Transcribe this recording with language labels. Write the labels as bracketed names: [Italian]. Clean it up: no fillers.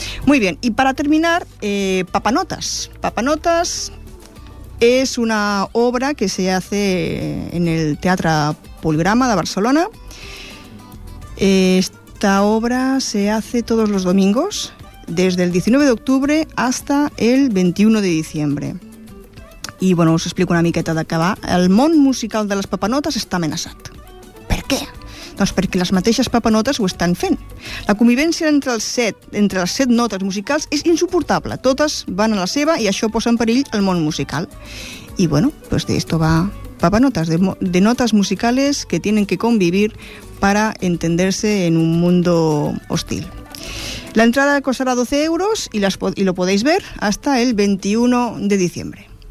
[Spanish] Muy bien, y para terminar, Papanotas. Papanotas es una obra que se hace en el Teatre Poligrama de Barcelona. Esta obra se hace todos los domingos, desde el 19 de octubre hasta el 21 de diciembre. Y bueno, os explico [Catalan] una miqueta de què va. El món musical de les papanotes està amenaçat. Per què? Doncs perquè les mateixes papanotes ho estan fent. La convivència entre les set notes musicals és insuportable. Totes van a la seva i això posa en perill el món musical. [Spanish] I bueno, pues de esto va Papanotas, de notas musicales que tienen que convivir para entenderse en un mundo hostil. La entrada costará 12 euros y lo podéis ver hasta el 21 de diciembre.